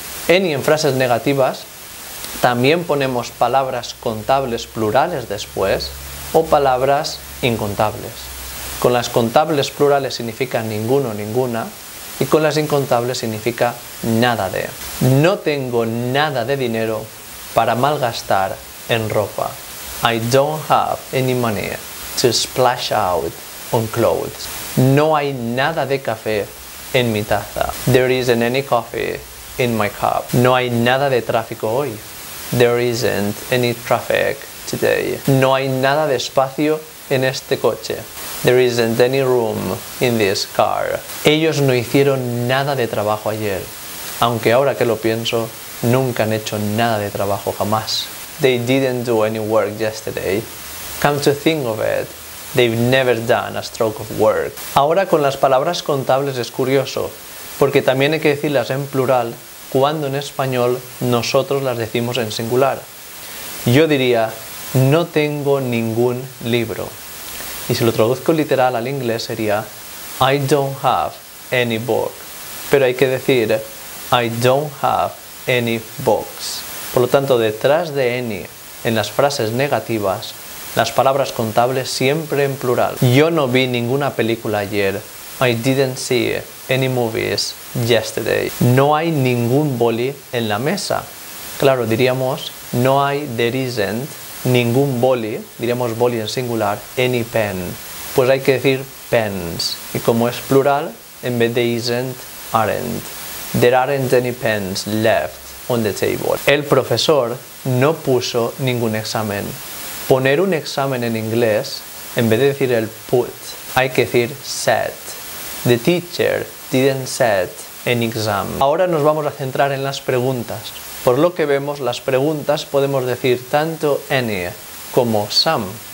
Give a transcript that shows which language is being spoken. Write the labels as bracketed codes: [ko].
[es] Any en frases negativas, también ponemos palabras contables plurales después o palabras incontables. Con las contables plurales significa ninguno, ninguna. Y con las incontables significa nada de. No tengo nada de dinero para malgastar en ropa. [en] I don't have any money to splash out on clothes. [es] No hay nada de café en mi taza. [en] There isn't any coffee in my cup. [es] No hay nada de tráfico hoy. [en] There isn't any traffic today. [es] No hay nada de espacio en este coche. [en] There isn't any room in this car. [es] Ellos no hicieron nada de trabajo ayer. Aunque ahora que lo pienso, nunca han hecho nada de trabajo jamás. [en] They didn't do any work yesterday. Come to think of it, they've never done a stroke of work. [es] Ahora con las palabras contables es curioso, porque también hay que decirlas en plural cuando en español nosotros las decimos en singular. Yo diría, no tengo ningún libro. Y si lo traduzco literal al inglés sería, [en] I don't have any book. [es] Pero hay que decir, [en] I don't have any books. [es] Por lo tanto, detrás de any, en las frases negativas, las palabras contables siempre en plural. Yo no vi ninguna película ayer. [en] I didn't see any movies yesterday. [es] No hay ningún boli en la mesa. Claro, diríamos, no hay, [en] there isn't, [es] ningún boli, diríamos boli en singular, [en] any pen. [es] Pues hay que decir pens. Y como es plural, en vez de isn't, aren't. [en] There aren't any pens left on the table. [es] El profesor no puso ningún examen. Poner un examen en inglés, en vez de decir el put, hay que decir set. [en] The teacher didn't set an exam. [es] Ahora nos vamos a centrar en las preguntas. Por lo que vemos, las preguntas podemos decir tanto any como some.